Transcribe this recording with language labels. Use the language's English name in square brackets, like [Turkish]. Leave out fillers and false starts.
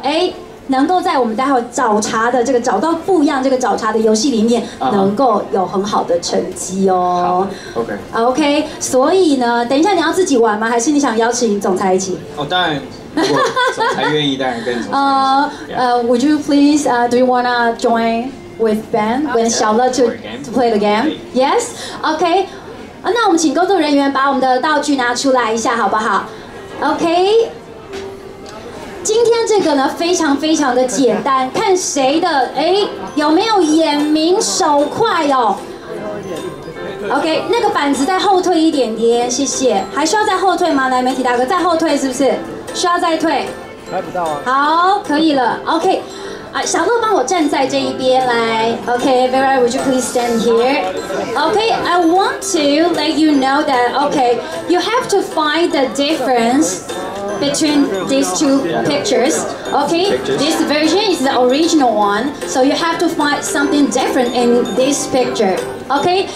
[Chinese] 哎，能够在我们待会找茬的这个找到不一样这个找茬的游戏里面能够有很好的成绩哦。好 ，OK。 OK， 所以呢，等一下你要自己玩吗？还是你想邀请总裁一起？哦，当然，如果总裁愿意，当然跟总裁一起。 [English] Would you please do you wanna join with Ben when Xiaole to play the game. Yes. Okay. [Chinese] 那我们请工作人员把我们的道具拿出来一下，好不好？ OK， 今天这个呢非常非常的简单，看谁的有没有眼明手快哦。 OK， 那个板子再后退一点点，谢谢。还需要再后退吗？来，媒体大哥，再后退是不是？需要再退？拍不到啊。好，可以了。 OK， 啊，小乐帮我站在这一边来。 [English] OK， Vera， would you please stand here？ OK， I want to let you know that OK， you have to find the difference。 Between these two pictures, okay? This version is the original one, so you have to find something different in this picture, okay?